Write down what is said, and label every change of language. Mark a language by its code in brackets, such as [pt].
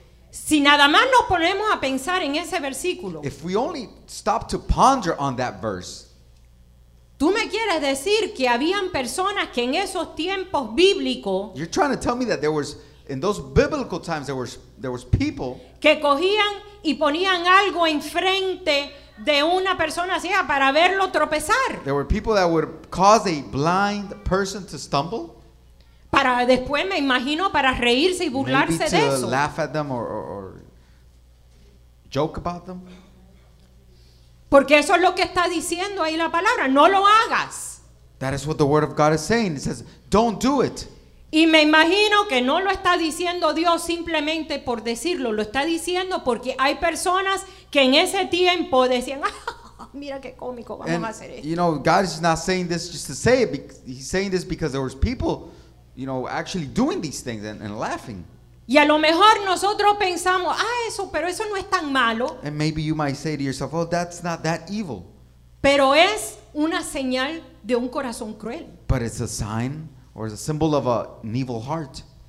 [es] Si nada más nos ponemos a pensar en ese versículo. [en] If we only stop to ponder on that verse. [es] Tú me quieres decir que habían personas que en esos tiempos bíblicos. [en] You're trying to tell me that there was, in those biblical times, there was people. [es] Que cogían y ponían algo enfrente de una persona ciega para verlo tropezar. [en] There were people that would cause a blind person to stumble. [es] Para después, me imagino, para reírse y burlarse de eso. [en] Maybe to laugh at them or joke about them. [es] Porque eso es lo que está diciendo ahí la palabra. No lo hagas. [en] That is what the word of God is saying. It says, don't do it. [es] Y me imagino que no lo está diciendo Dios simplemente por decirlo. Lo está diciendo porque hay personas que en ese tiempo decían, ah, mira qué cómico, vamos [en] and, [es] a hacer esto. [en] You know, God is not saying this just to say it. He's saying this because there was people, you know, actually doing these things and laughing. [es] Y a lo mejor nosotros pensamos, ah, eso, pero eso no es tan malo. [en] And maybe you might say to yourself, oh, that's not that evil. [es] Pero es una señal de un corazón cruel. [en] But it's a sign or a symbol of an evil heart.